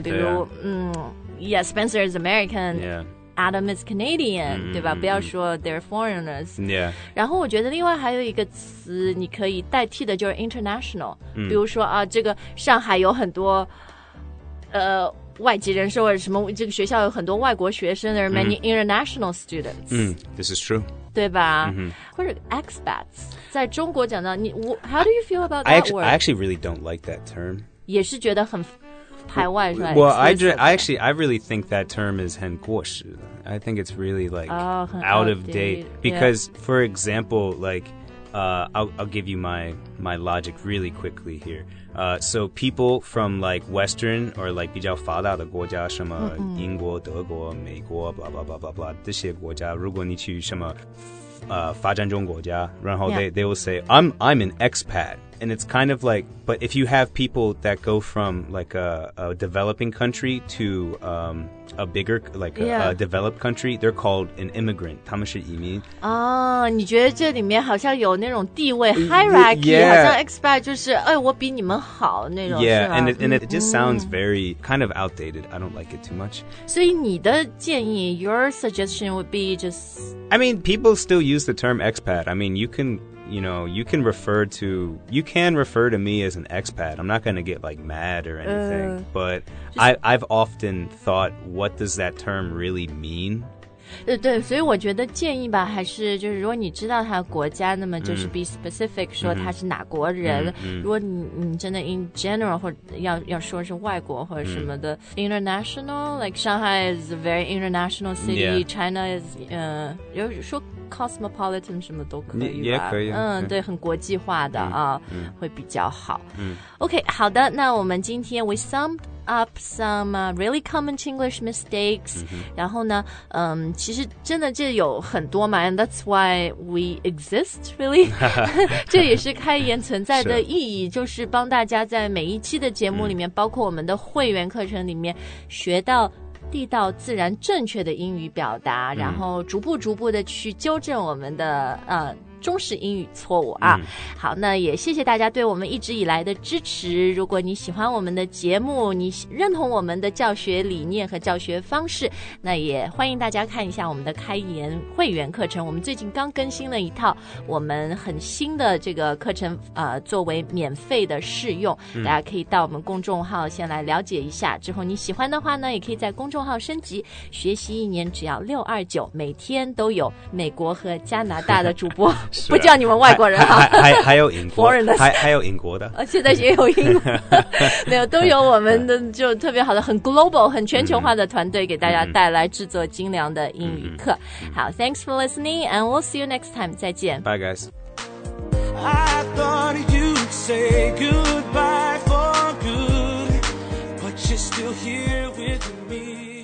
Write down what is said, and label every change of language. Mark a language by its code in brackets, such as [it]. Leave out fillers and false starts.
[en] 比如，yeah, Spencer is American. Yeah. Adam is Canadian, [zh] 对吧？不要说 [en] they're foreigners. Yeah. [zh] 然后我觉得另外还有一个词你可以代替的就是 international. 比如说啊，这个上海有很多外籍人士或者什么，这个学校有很多外国学生 ， [en] there are many international students. This is true. [zh] 对吧？或者 expats， 在中国讲到你 ， [en] how do you feel about that word? I actually really don't like that term. [zh] 也是觉得很。排外是吧 [en] Well, I really think that term is [zh] 很过时 [en] I think it's really like out of date. Because,、 yeah. for example, like,I'll give you my logic really quickly here. So people from like Western or like [zh] 比较发达的国家，什么英国、德国、美国 [en] blah, blah, blah, blah, [zh] blah, 这些国家，如果你去什么发展中国家，然后 [en] they will say, I'm an expat. And it's kind of like, but if you have people that go from like a developing country to a bigger, like a developed country, they're called an immigrant. [zh] 他们是移民。哦，你觉得这里面好像有那种地位 hierarchy, 好像 expat 就是哎，我比你们好那种。 [en] Yeah, and it just sounds very kind of outdated. I don't like it too much. [zh] 所以你的建议 [en] your suggestion would be just... I mean, people still use the term expat. I mean, you can... You know, you can refer to me as an expat. I'm not going to get like mad or anything, but I've often thought, what does that term really mean? [zh] 对，所以我觉得建议吧，还是就是如果你知道他的国家，那么就是 be specific 说他是哪国人。如果你真的 in general 或者要说是外国或者什么的 international, [en] like Shanghai is a very international city. Yeah. [zh] China is, 要说。 Cosmopolitan 什么都可以吧也可以对很国际化的啊会比较好 OK 好的那我们今天 [en] we summed up some、really common Chinglish mistakes.、 Mm-hmm. [zh] 然后呢、其实真的这有很多嘛 [en] and that's why we exist, really. [zh] 这也是开言存在的意义就是帮大家在每一期的节目里面、包括我们的会员课程里面学到地道自然正确的英语表达、然后逐步逐步的去纠正我们的、中式英语错误啊、好那也谢谢大家对我们一直以来的支持如果你喜欢我们的节目你认同我们的教学理念和教学方式那也欢迎大家看一下我们的开言会员课程我们最近刚更新了一套我们很新的这个课程、作为免费的试用、大家可以到我们公众号先来了解一下之后你喜欢的话呢也可以在公众号升级学习一年只要629每天都有美国和加拿大的主播不叫你们外国人哈、还有英国国人的还有英国的现在也有英国没有都有我们的就特别好的很 global 很全球化的团队给大家带来制作精良的英语课好 [en] Thanks for listening and we'll see you next time [zh] 再见 [en] Bye guys I thought you'd say goodbye for good But you're still here with me